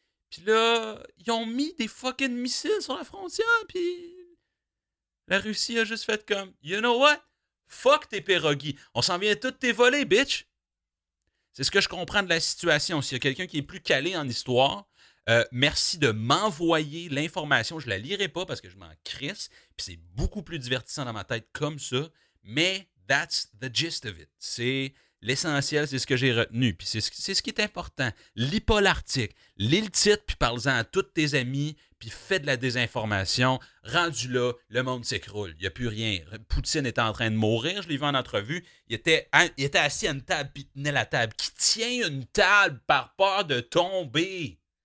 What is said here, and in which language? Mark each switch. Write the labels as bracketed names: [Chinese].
[French] Puis là, ils ont mis des fucking missiles sur la frontière, puis la Russie a juste fait comme, [English] you know what? [French] Fuck tes pierogies. On s'en vient toutes tes volées, bitch. C'est ce que je comprends de la situation. S'il y a quelqu'un qui est plus calé en histoire, merci de m'envoyer l'information. Je la lirai pas parce que je m'en crisse. Puis c'est beaucoup plus divertissant dans ma tête comme ça. [English] Mais that's the gist of it. [French] C'est l'essentiel, c'est ce que j'ai retenu. Puis c'est ce qui est important. Lis pas l'article. Lis le titre, puis parle-en à tous tes amis, puis fais de la désinformation. Rendu là, le monde s'écroule. Il n'y a plus rien. Poutine est en train de mourir. Je l'ai vu en entrevue. Il était assis à une table, puis il tenait la table. Qui tient une table par peur de tomber?